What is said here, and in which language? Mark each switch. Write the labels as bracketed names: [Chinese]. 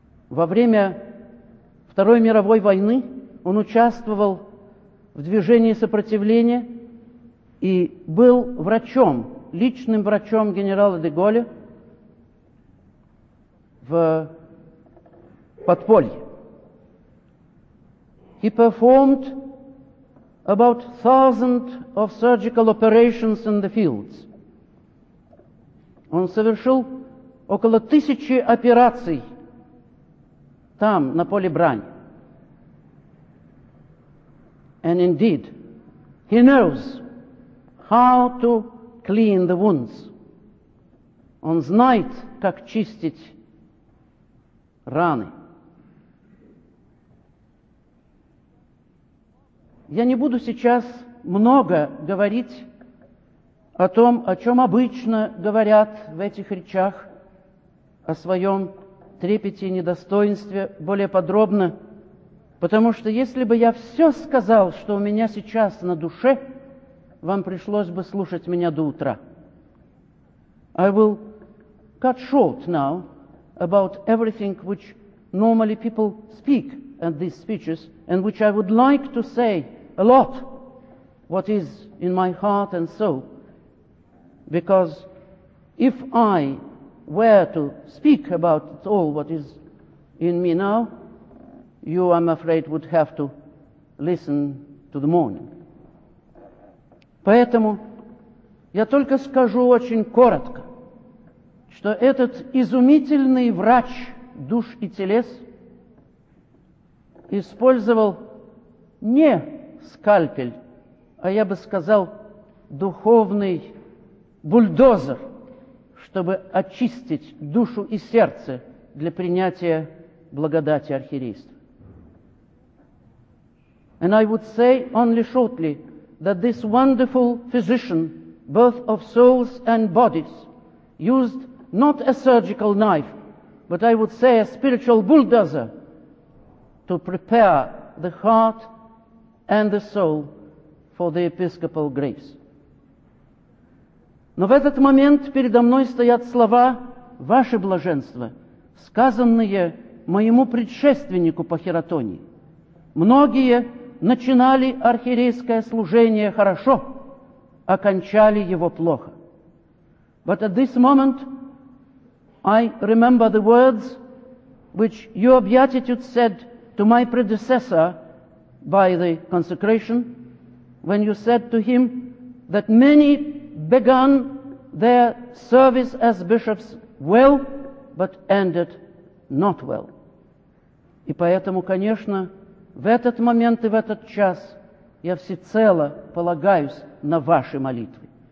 [Russian] Во время Второй мировой войны он участвовал в движении сопротивления и был врачом, личным врачом генерала де Голля, в подполье. [English] He performed about 1,000 of surgical operations in the fields. [Russian] Он совершил около 1,000 операций там, на поле брани. [English] And indeed, he knows how to clean the wounds. [Russian] Он знает, как чистить раны. Я не буду сейчас много говорить о том, о чем обычно говорят в этих речах, о своем трепете и недостоинстве более подробно, потому что если бы я все сказал, что у меня сейчас на душе, вам пришлось бы слушать меня до утра. [English] I will cut short now about everything which normally people speak at these speeches, and which I would like to say a lot, what is in my heart and soul, because if I were to speak about all what is in me now, you, I'm afraid, would have to listen to the morning. [Russian] Поэтому я только скажу очень коротко, что этот изумительный врач душ и телес использовал не скальпель, а я бы сказал духовный бульдозер, чтобы очистить душу и сердце для принятия благодати архиерейства. [English] And I would say only shortly that this wonderful physician, both of souls and bodies, used not a surgical knife, but I would say a spiritual bulldozer to prepare the heart and the soul for the episcopal graves. [Russian] Но в этот момент передо мной стоят слова «Ваше блаженство», сказанные моему предшественнику по хиротонии. Многие начинали архиерейское служение хорошо, окончали его плохо. [English] But at this moment, I remember the words which your beatitude said to my predecessor by the consecration, when you said to him that many began their service as bishops well, but ended not well. [Russian] И поэтому, конечно, в этот момент и в этот час я всецело полагаюсь на ваши молитвы.